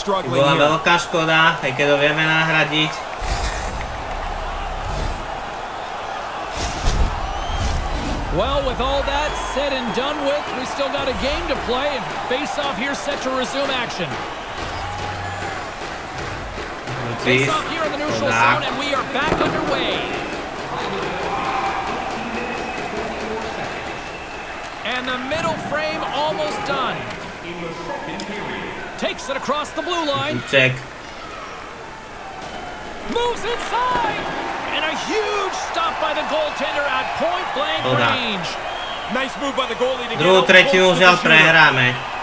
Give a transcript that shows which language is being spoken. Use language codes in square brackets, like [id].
[sk] Bola veľká škoda, aj keď ho vieme nahradiť. [en] Well, with all that said and done with, we still got a game to play and face off here set to resume action. Face off here in the neutral zone and we are back underway. And the middle frame almost done. Takes it across the blue line. Check. Moves inside. And a huge stop by the goaltender at point blank range. Nice move by the goalie to get. [sk] Druhú tretinu žiaľ prehráme.